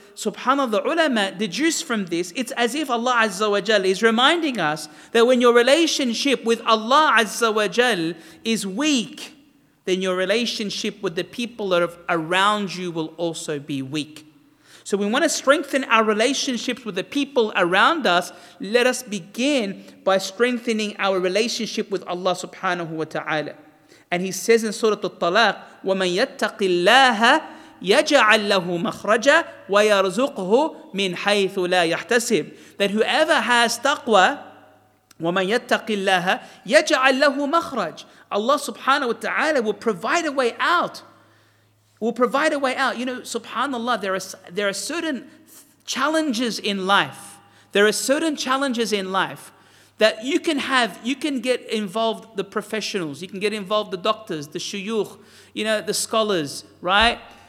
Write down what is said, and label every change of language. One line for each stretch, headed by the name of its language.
English: Subhanallah, the ulama deduce from this, it's as if Allah Azza wa Jal is reminding us that when your relationship with Allah Azza wa Jal is weak, then your relationship with the people that are around you will also be weak. So we want to strengthen our relationships with the people around us. Let us begin by strengthening our relationship with Allah subhanahu wa ta'ala. And he says in Surah At-Talaq,
Arabic: وَمَنْ يَتَّقِ اللَّهَ يَجْعَلْ لَهُ مَخْرَجًا وَيَرْزُقْهُ مِنْ حَيْثُ لَا يَحْتَسِبْ.
English: That whoever has taqwa,
Arabic: وَمَنْ يَتَّقِ اللَّهَ يَجْعَلْ لَهُ مَخْرَجًا.
English: Allah subhanahu wa ta'ala will provide a way out. Will provide a way out. You know, subhanAllah, there are certain challenges in life. There are certain challenges in life that you can have, you can get involved the professionals, you can get involved the doctors, the shuyukh, you know, the scholars, right?